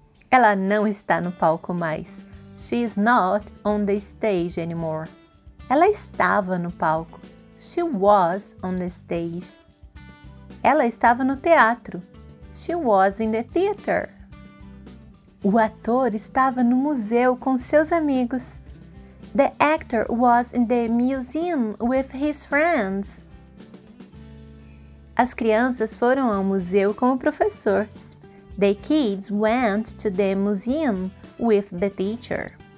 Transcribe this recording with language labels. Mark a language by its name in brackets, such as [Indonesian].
[Portuguese] Ela não está no palco mais. [English] She is not on the stage anymore. [Portuguese] Ela estava no palco. [English] She was on the stage. [Portuguese] Ela estava no teatro. [English] She was in the theater. [Portuguese] O ator estava no museu com seus amigos. [English] The actor was in the museum with his friends. [Portuguese] As crianças foram ao museu com o professor. [English] The kids went to the museum with the teacher.